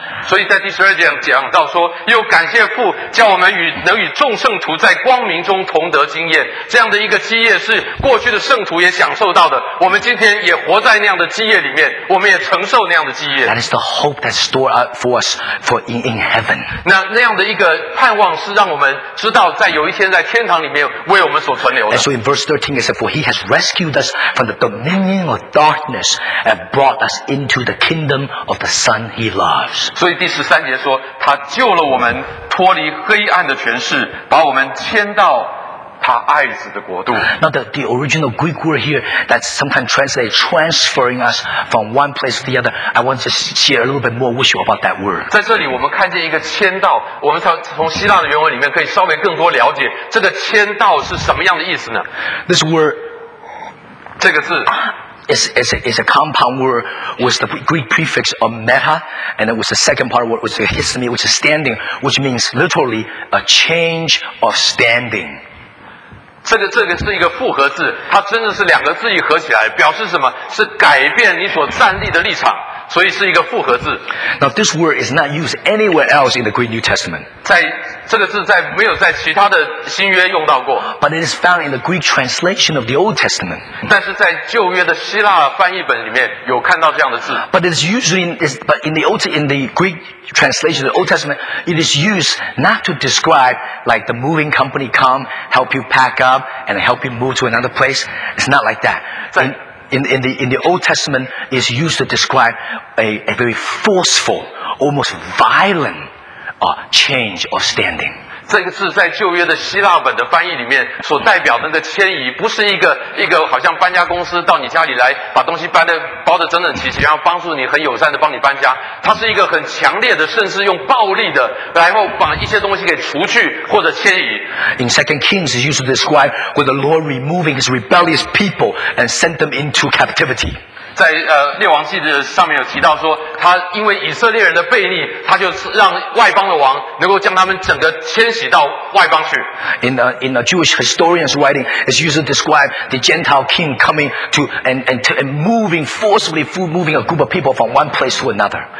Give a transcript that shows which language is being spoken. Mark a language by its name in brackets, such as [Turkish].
[Chinese] 所以在第十二节讲到说，又感谢父叫我们与能与众圣徒在光明中同得经验，这样的一个基业是过去的圣徒也享受到的，我们今天也活在那样的基业里面，我们也承受那样的基业。 [English] That is the hope that's stored up for us for in heaven. [Chinese] 那样的一个盼望是让我们知道在有一天在天堂里面为我们所存留的。 [English] And so in verse 13 it says, for he has rescued us from the dominion of darkness and brought us into the kingdom of the Son he loves. [Chinese] 所以第十三节说，他救了我们脱离黑暗的权势，把我们迁到他爱子的国度。 [English] Now the original Greek word here that sometimes translates transferring us from one place to the other. I want to share a little bit more with you about that word. [Chinese] 在这里我们看见一个迁到，我们从希腊的原文里面可以稍微更多了解这个迁到是什么样的意思呢？ [English] This word, [Chinese] 这个字。 [English] It's a compound word with the Greek prefix of meta, and it was the second part of word, which is histomy, which is standing, which means literally a change of standing. [Chinese] 这个是一个复合字，它真的是两个字一合起来，表示什么？是改变你所站立的立场，所以是一个复合字。 [English] Now this word is not used anywhere else in the Greek New Testament. [Chinese] 在这个字在没有在其他的新约用到过。 [English] But it is found in the Greek translation of the Old Testament. [Chinese] 但是在旧约的希腊翻译本里面有看到这样的字。 [English] But it is usually in the Greek translation of the Old Testament, it is used not to describe like the moving company come, help you pack up, and help you move to another place. It's not like that. In the Old Testament, it's used to describe a very forceful, almost violent,change of standing. [Chinese] 这个字在旧约的希腊本的翻译里面所代表的那个迁移，不是一个好像搬家公司到你家里来把东西搬的包的整整齐齐，然后帮助你很友善的帮你搬家。它是一个很强烈的，甚至用暴力的，然后把一些东西给除去或者迁移。 [English] In 2 Kings, it's used to describe when the Lord removing his rebellious people and sent them into captivity. [Chinese] 在列王记的上面有提到说，他因为以色列人的悖逆，他就让外邦的王能够将他们整个迁徙到外邦去。 [English] In a Jewish historian's writing, it's used to describe the Gentile king coming to and moving forcibly, moving a group of people from one place to another.